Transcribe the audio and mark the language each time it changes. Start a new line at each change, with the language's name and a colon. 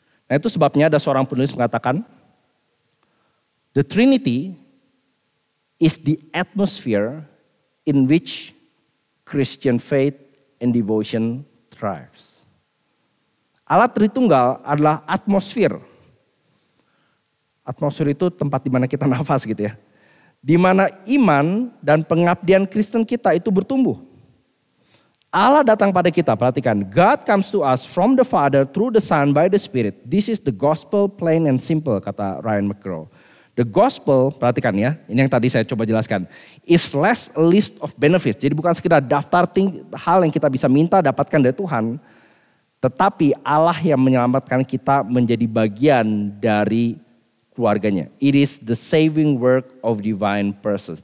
Indonesian: Nah itu sebabnya ada seorang penulis mengatakan,
English: the Trinity is the atmosphere in which Christian faith and devotion thrives.
Indonesian: Allah Tritunggal adalah atmosfer. Atmosfer itu tempat di mana kita nafas gitu ya. Di mana iman dan pengabdian Kristen kita itu bertumbuh. Allah datang pada kita, perhatikan.
English: God comes to us from the Father, through the Son, by the Spirit. This is the gospel, plain and simple,
Indonesian: kata
English: Ryan McGraw. The gospel,
Indonesian: perhatikan ya, ini yang tadi saya coba jelaskan,
English: is less a list of benefits.
Indonesian: Jadi bukan sekedar daftar hal yang kita bisa minta dapatkan dari Tuhan. Tetapi Allah yang menyelamatkan kita menjadi bagian dari keluarganya.
English: It is the saving work of divine persons.